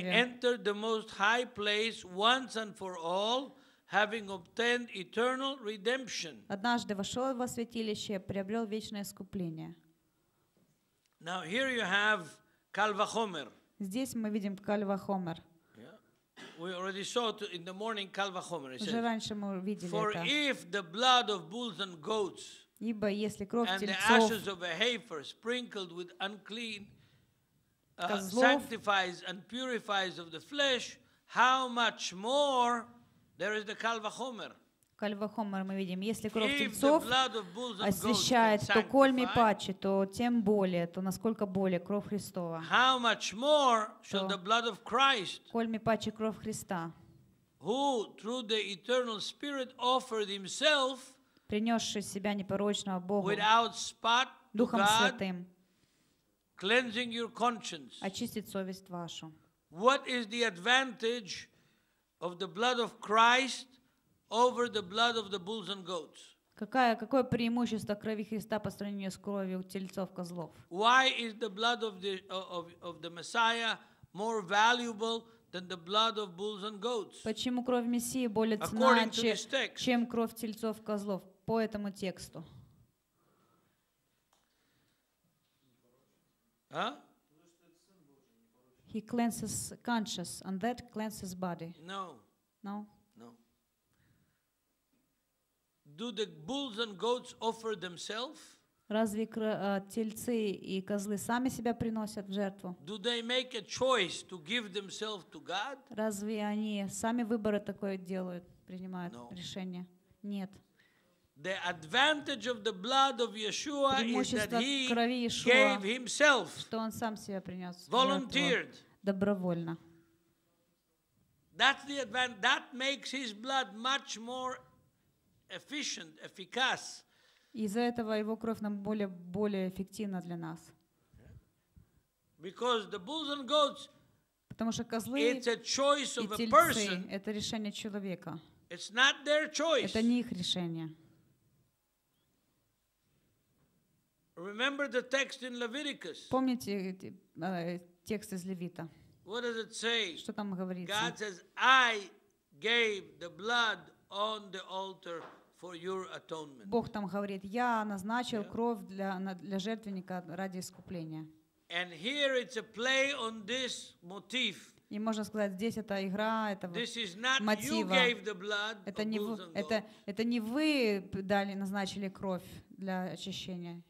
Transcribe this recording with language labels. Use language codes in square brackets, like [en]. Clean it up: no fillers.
[en] He entered the most high place once and for all, having obtained eternal redemption. [ru] Однажды вошел во святилище, приобрел вечное искупление. [en] Now here you have Kalvachomer. [ru] Здесь мы видим Kalvachomer. [en] We already saw it in the morning Kalvachomer. [ru] Уже раньше мы видели это. [en] For if the blood of bulls and goats, [ru] ибо если кровь тельцов, [en] and the ashes of a heifer sprinkled with unclean, sanctifies and purifies of the flesh, how much more? There is the Kalvachomer. [ru] Kalvachomer мы видим, если кровь тельцов освящает, то коль ми паче, то тем более, то насколько более кровь Христова. [en] How much more shall the blood of Christ? [ru] Коль ми паче кровь Христа. [en] Who through the eternal Spirit offered himself, [ru] принесший себя непорочного Богу, [en] without spot, [ru] Духом Святым, [en] cleansing your conscience, [ru] очистит совесть вашу. [en] What is the advantage of the blood of Christ over the blood of the bulls and goats? [ru] Какое преимущество крови Христа по сравнению с кровью тельцов, козлов? [en] Why is the blood of the Messiah more valuable than the blood of bulls and goats? [ru] Почему кровь Мессии более ценна, чем кровь тельцов, козлов по этому тексту? [en] He cleanses conscience, and that cleanses body. No. Do the bulls and goats offer themselves? [ru] Разве тельцы и козлы сами себя приносят в жертву? [en] Do they make a choice to give themselves to God? [ru] Разве они сами выборы такое делают, принимают решение? Нет. [en] The advantage of the blood of Yeshua is that he gave himself, [ru] что он сам себя принес, [en] volunteered. [ru] Добровольно. [en] That's the advantage. That makes his blood much more efficient, efficace. [ru] Из-за этого его кровь нам более эффективна для нас. [en] Because the bulls and goats, [ru] потому что козлы и тельцы, это решение человека. [en] It's not their choice. [ru] Это не их решение. [en] Remember the text in Leviticus. [ru] Помните текст из Левита. [en] What does it say? [ru] Что там говорится? [en] God says, "I gave the blood on the altar for your atonement." [ru] Бог там говорит, я назначил кровь для жертвенника ради искупления. [en] And here it's a play on this motif. [ru] И можно сказать, здесь эта игра, это мотива. Это не вы дали, назначили кровь для очищения.